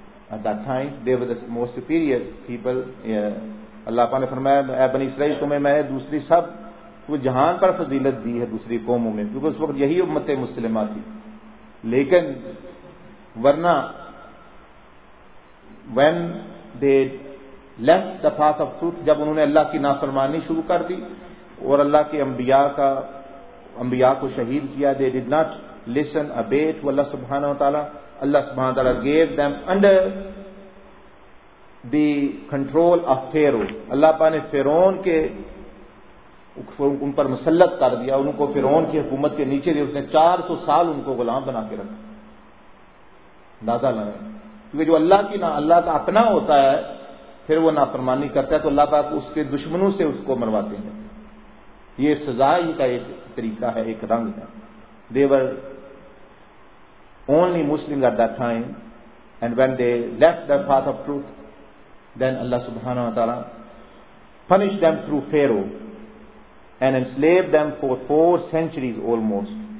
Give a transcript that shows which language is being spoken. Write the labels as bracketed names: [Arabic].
[English] At that time they were the most superior people. [Urdu] اللہ نے فرمایا اے بنی اسرائیل تمہیں میں دوسری سب جہان پر فضیلت دی ہے دوسری قوموں میں, کیونکہ اس وقت یہی امت مسلمہ تھی. لیکن ورنہ [English] when they left the path of truth, [Urdu] جب انہوں نے اللہ کی نافرمانی شروع کر دی اور اللہ کے انبیاء کو شہید کیا, [English] they did not listen, obey to اللہ سبحانہ وتعالی, اللہ سبحانہ وتعالی gave them under the control of Pharaoh. [Urdu] اللہ پاک نے فرعون کے ان پر مسلط کر دیا, ان کو فرعون کی حکومت کے نیچے دیا, اس نے 400 سال ان کو غلام بنا کے رکھا. اندازہ لگا, کیونکہ جو اللہ کی اللہ کا اپنا ہوتا ہے پھر وہ نافرمانی کرتا ہے تو اللہ پاک اس کے دشمنوں سے اس کو مرواتے ہیں. یہ سزا ہی کا ایک طریقہ ہے, ایک رنگ ہے. [English] They were only Muslim at that time, and when they left the path of truth, then اللہ سبحانہ و تعالی punish them through Pharaoh and enslaved them for 4 centuries almost.